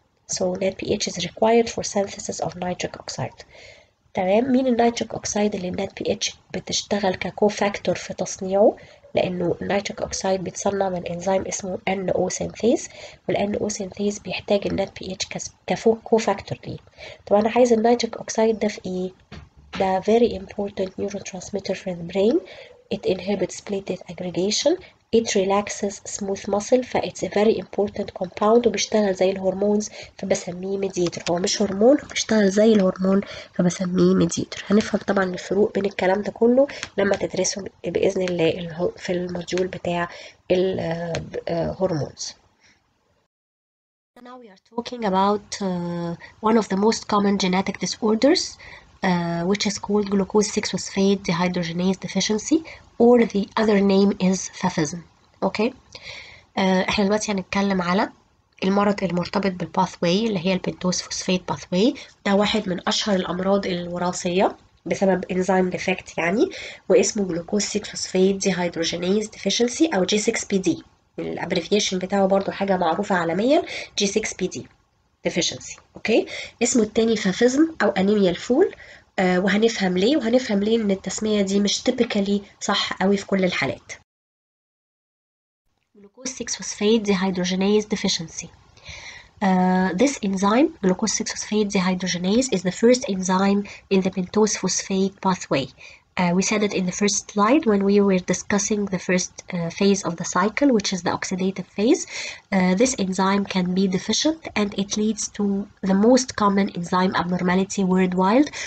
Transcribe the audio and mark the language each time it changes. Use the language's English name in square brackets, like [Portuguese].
[English] So net pH is required for synthesis of nitric oxide. [Arabic] تمام، مين النيتريك اوكسيد اللي النت بي اتش بتشتغل ككو فاكتور في تصنيعه؟ لانه النيتريك اوكسيد بيتصنع من انزيم اسمه ان او سينثيز، والان او سينثيز بيحتاج النت بي اتش كفو فاكتور ليه. طب انا عايز النيتريك اوكسيد ده في ايه؟ ده [English] very important neurotransmitter for the brain. It inhibits platelet aggregation. It relaxes smooth muscle. [Arabic] فإتس [English] very important compound [Arabic] وبيشتغل زي الهرمونز فبسميه mediator. هو مش هرمون، بيشتغل زي الهرمون فبسميه mediator. هنفهم طبعا الفروق بين الكلام ده كله لما تدرسه بإذن الله في الموديول بتاع الهرمونز. [English] Now we are talking about one of the most common genetic disorders. Which is called glucose 6 phosphate dehydrogenase deficiency, or the other name is FAFism. Okay. [Arabic] احنا دلوقتي هنتكلم على المرض المرتبط بالباثوي اللي هي البنتوس فوسفيت باثوي. ده واحد من اشهر الامراض الوراثيه بسبب انزيم ديفكت يعني، واسمه glucose 6 phosphate dehydrogenase deficiency او G6PD. الابريفيشن بتاعه برضو حاجه معروفه عالميا، G6PD deficiency. اوكي، اسمه التاني فافيزم او انيميا الفول. وهنفهم ليه، وهنفهم ليه ان التسميه دي مش تيبيكالي صح قوي في كل الحالات. جلوكوز 6 فوسفات دي هيدروجينيز ديفيشنسي. [English] This enzyme, glucose 6 phosphate dehydrogenase, is the first enzyme in the pentose phosphate pathway. We said it in the first slide when we were discussing the first phase of the cycle, which is the oxidative phase. This enzyme can be deficient and it leads to the most common enzyme abnormality worldwide.